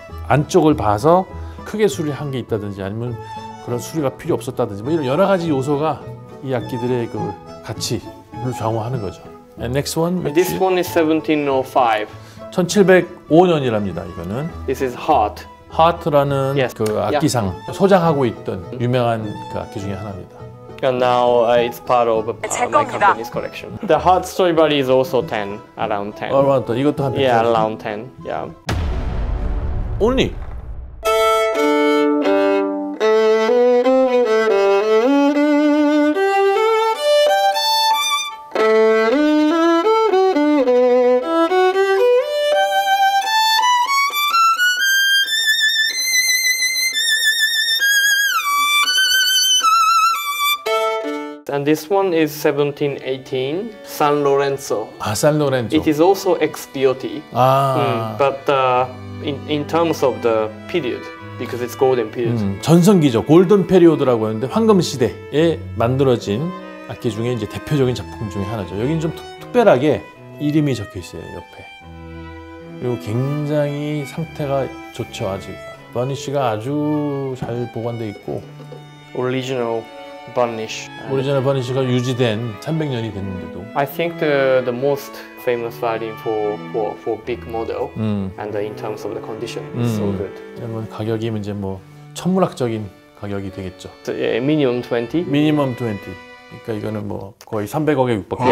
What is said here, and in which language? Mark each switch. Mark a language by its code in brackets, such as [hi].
[ko] 안쪽을 봐서 크게 수리한 게 있다든지 아니면 그런 수리가 필요 없었다든지 뭐 이런 여러 가지 요소가 이 악기들의 그 가치를 좌우하는 거죠. [en] And next one. This one is 1705. [ko] 1705년이랍니다. 이거는. [en] This is Hart. [ko] 하트라는 yes. 그 악기상 yeah. 소장하고 있던 유명한 그 악기 중에 하나입니다. [en] And now it's part of my company's collection. The Hart Stradivari is also 10, around 10. Around 10. [ko] 이것도 한 [en] yeah, around 10. Yeah. Only. 1718 San Lorenzo. San Lorenzo. It is also ex Viotti. But in terms of the period, because it's golden period. [ko] 전성기죠. 골든 페리오드라고 하는데 황금 시대에 만들어진 악기 중에 이제 대표적인 작품 중에 하나죠. 여기는 좀 특별하게 이름이 적혀 있어요 옆에. 그리고 굉장히 상태가 좋죠 아직. 버니쉬가 아주 잘 보관돼 있고. [en] Original. Burnish. [ko] 오리지널 버니쉬가 유지된 300년이 됐는데도. [en] I think the most famous violin for big model and in terms of the condition is so good. [ko] 그러면 가격이 이제 뭐 천문학적인 가격이 되겠죠. 예, [en] minimum 20. minimum 20. [ko] 그러니까 이거는 뭐 거의 300억에 육박하고.